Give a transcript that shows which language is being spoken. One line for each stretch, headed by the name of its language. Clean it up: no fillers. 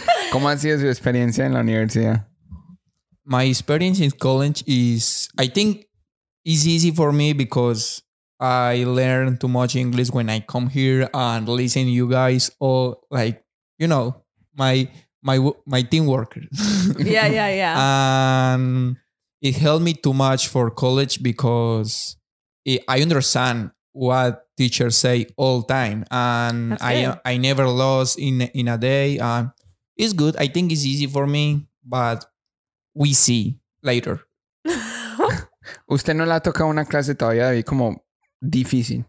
Spanish: ¿Cómo ha sido su experiencia en la universidad?
English: My experience in college is, I think, is easy for me because I learn too much English when I come here and listen to you guys or like, you know, my team workers. Yeah. And it helped me too much for college because I understand what teachers say all time. And I never lost in a day. It's good. I think it's easy for me, but we see later.
Spanish: Usted no la toca una clase todavía y como difícil.